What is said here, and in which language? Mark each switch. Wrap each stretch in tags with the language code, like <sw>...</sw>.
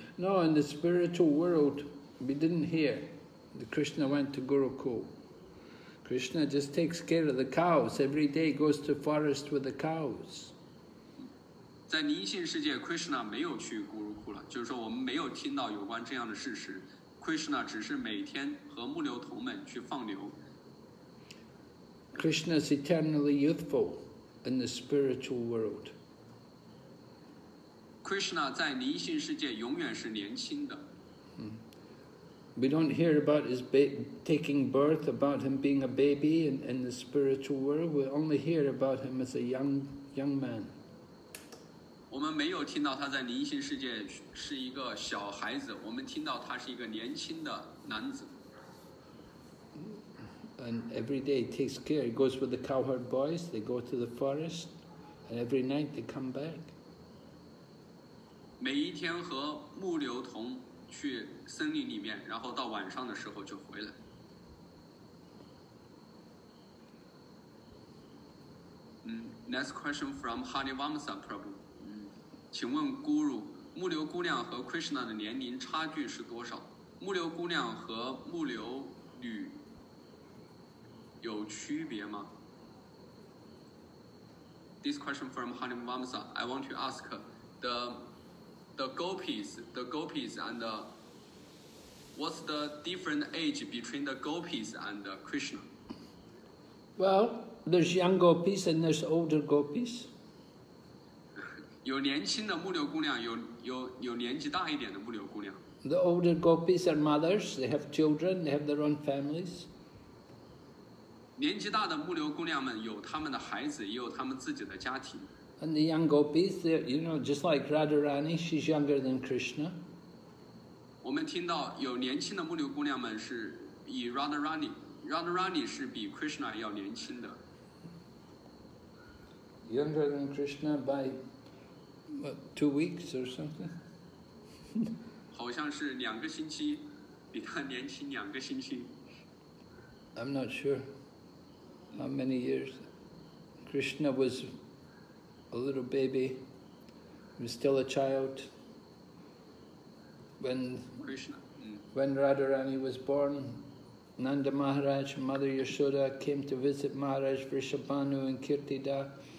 <en>No, in the spiritual world, we didn't hear that Krishna went to Gurukula. Krishna just takes care of the cows. Every day goes to forest with the cows.</en> <zh>在灵性世界 ，Krishna 没有去古鲁库了，就是说我们没有听到有关这样的事实。 Krishna 只是每天和牧牛童们去放牛。</zh> <en>Krishna is eternally youthful in the spiritual world.</en> <zh>Krishna 在灵性世界永远是年轻的。</zh> <en>We don't hear about his taking birth, about him being a baby in the spiritual world. We only hear about him as a young man.</en> <zh>我们没有听到他在灵性世界是一个小孩子，我们听到他是一个年轻的男子。</zh> <en>And every day he takes care. He goes with the cowherd boys. They go to the forest, and every night they come back.</en> <zh>每一天和牧牛童。去森林里面，然后到晚上的时候就回来。</zh> <en>Next question from Hari Vamsa Prabhu.</en> <zh>请问 Guru， 牧牛姑娘和 Krishna 的年龄差距是多少？牧牛姑娘和牧牛女有区别吗？</zh> <en>This question from Hari Vamsa. I want to ask the gopis and the, what's the different age between the gopis and the Krishna? Well, there's young gopis and there's older gopis.</en> <zh>有年轻的牧牛姑娘，有年纪大一点的牧牛姑娘。</zh> <en>The older gopis are mothers. They have children. They have their own families.</en> <zh>年纪大的牧牛姑娘们有他们的孩子，也有他们自己的家庭。</zh> <en>And the young gopis, you know, just like Radharani, she's younger than Krishna.</en> <zh>我们听到有年轻的牧牛姑娘们是比 Radharani 是比 Krishna 要年轻的。</zh> <en>Younger than Krishna by what, 2 weeks or something?</en> <zh>好像是两个星期，比他年轻两个星期。</zh> <en>I'm not sure how many years Krishna was. A little baby, he was still a child. When Radharani was born, Nanda Maharaj, Mother Yashoda came to visit Maharaj Vrishabhanu and Kirtida.</en>